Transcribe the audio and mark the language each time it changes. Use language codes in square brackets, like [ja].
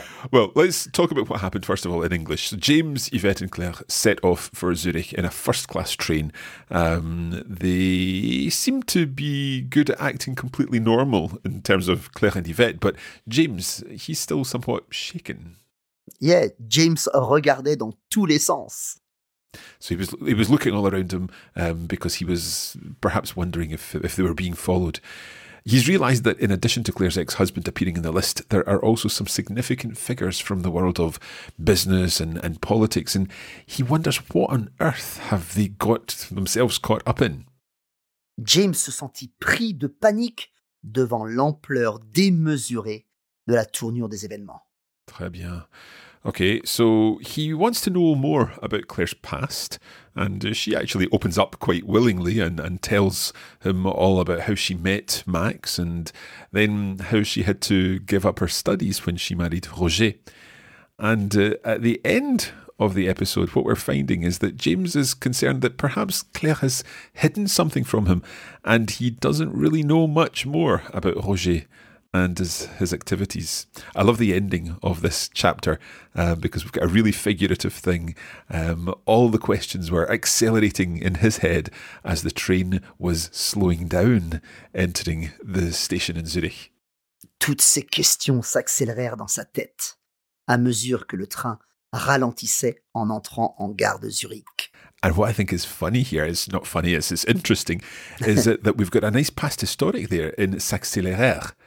[en] Well, let's talk about what happened, first of all, in English. So James, Yvette and Claire set off for Zurich in a first-class train. They seem to be good at acting completely normal in terms of Claire and Yvette, but James, he's still somewhat shaken. [fr] Yeah, James regardait dans tous les sens. [en] So he was looking all around him because he was perhaps wondering if they were being followed. He's realised that in addition to Claire's ex-husband appearing in the list, there are also some significant figures from the world of business and politics. And he wonders, what on earth have they got themselves caught up in? [fr] James se sentit pris de panique devant l'ampleur démesurée de la tournure des événements. Très bien. [en] Okay, so he wants to know more about Claire's past, and she actually opens up quite willingly and tells him all about how she met Max and then how she had to give up her studies when she married Roger. And at the end of the episode, what we're finding is that James is concerned that perhaps Claire has hidden something from him and he doesn't really know much more about Roger and his activities. I love the ending of this chapter because we've got a really figurative thing. All the questions were accelerating in his head as the train was slowing down, entering the station in Zurich. [fr] Toutes ces questions s'accélérèrent dans sa tête à mesure que le train ralentissait en entrant en gare de Zurich. [en] And what I think is funny here, it's not funny, it's interesting, is that we've got a nice past historic there in s'accélérèrent.